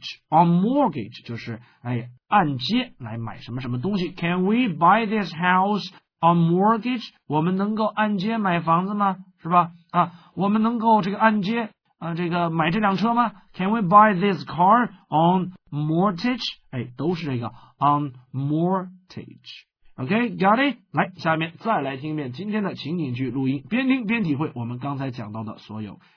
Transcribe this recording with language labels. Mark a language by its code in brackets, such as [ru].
[en] On mortgage [zh] 就是哎按揭来买什么什么东西。 [en] Can we buy this house on mortgage？ [zh] 我们能够按揭买房子吗？是吧？啊，我们能够这个按揭啊，这个买这辆车吗 ？ [en] Can we buy this car on mortgage？ [zh] 哎，都是这个 [en] on mortgage。 Okay, got it? [zh] 来，下面再来听一遍今天的情景剧录音，边听边体会我们刚才讲到的所有。